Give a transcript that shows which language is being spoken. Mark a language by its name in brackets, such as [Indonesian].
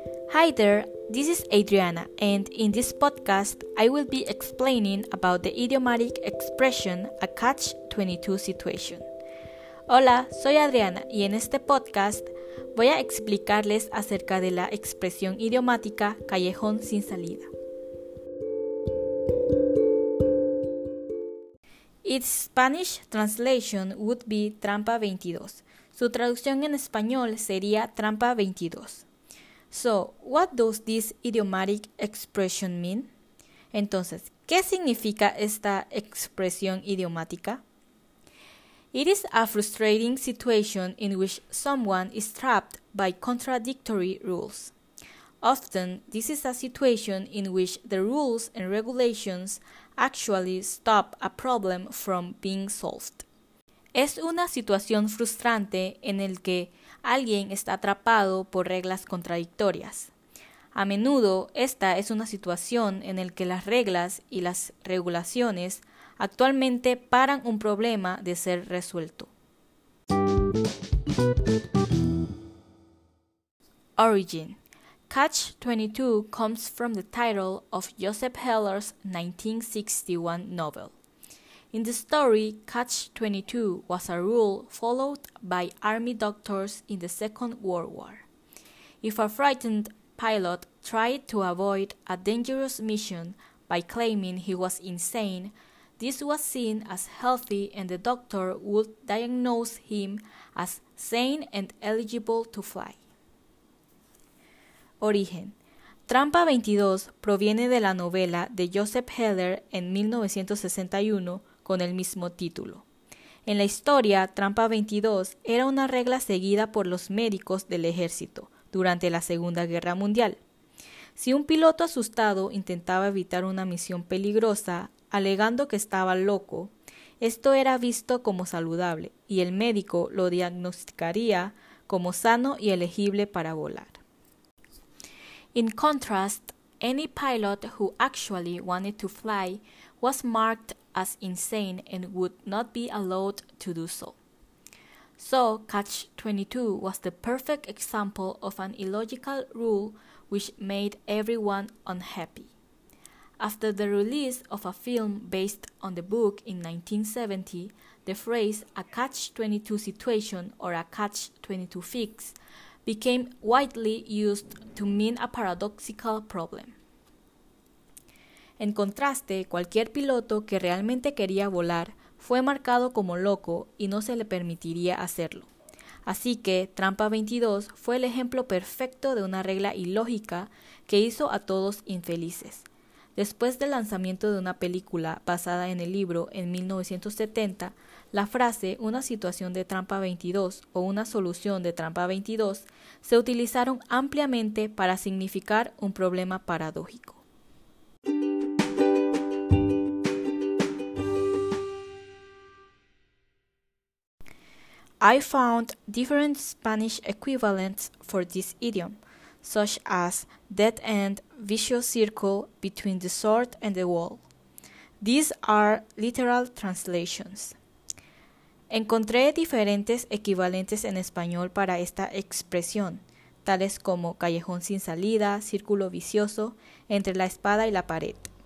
[English] Hi there, this is Adriana, and in this podcast, I will be explaining about the idiomatic expression, a Catch-22 situation. [Spanish] Hola, soy Adriana, y en este podcast voy a explicarles acerca de la expresión idiomática callejón sin salida. [English] Its Spanish translation would be trampa 22. [Spanish] Su traducción en español sería trampa 22. [English] So, what does this idiomatic expression mean? [Spanish] Entonces, ¿qué significa esta expresión idiomática? [English] It is a frustrating situation in which someone is trapped by contradictory rules. Often, this is a situation in which the rules and regulations actually stop a problem from being solved. [Spanish] Es una situación frustrante en el que alguien está atrapado por reglas contradictorias. A menudo, esta es una situación en el que las reglas y las regulaciones actualmente paran un problema de ser resuelto. [English] Origin. Catch-22 comes from the title of Joseph Heller's 1961 novel. In the story, Catch-22 was a rule followed by army doctors in the Second World War. If a frightened pilot tried to avoid a dangerous mission by claiming he was insane, this was seen as healthy and the doctor would diagnose him as sane and eligible to fly. [Spanish] Origen. Trampa 22 proviene de la novela de Joseph Heller en 1961 con el mismo título. En la historia, Trampa 22 era una regla seguida por los médicos del ejército durante la Segunda Guerra Mundial. Si un piloto asustado intentaba evitar una misión peligrosa, alegando que estaba loco, esto era visto como saludable y el médico lo diagnosticaría como sano y elegible para volar. [English] In contrast, any pilot who actually wanted to fly was marked as insane and would not be allowed to do so. So, Catch-22 was the perfect example of an illogical rule which made everyone unhappy. After the release of a film based on the book in 1970, the phrase a Catch-22 situation or a Catch-22 fix became widely used to mean a paradoxical problem. [Spanish] En contraste, cualquier piloto que realmente quería volar fue marcado como loco y no se le permitiría hacerlo. Así que Trampa 22 fue el ejemplo perfecto de una regla ilógica que hizo a todos infelices. Después del lanzamiento de una película basada en el libro en 1970, la frase una situación de trampa 22 o una solución de trampa 22 se utilizaron ampliamente para significar un problema paradójico. [English] I found different Spanish equivalents for this idiom, such as dead end, vicious circle, between the sword and the wall. These are literal translations. [Spanish] Encontré diferentes equivalentes en español para esta expresión, tales como callejón sin salida, círculo vicioso, entre la espada y la pared.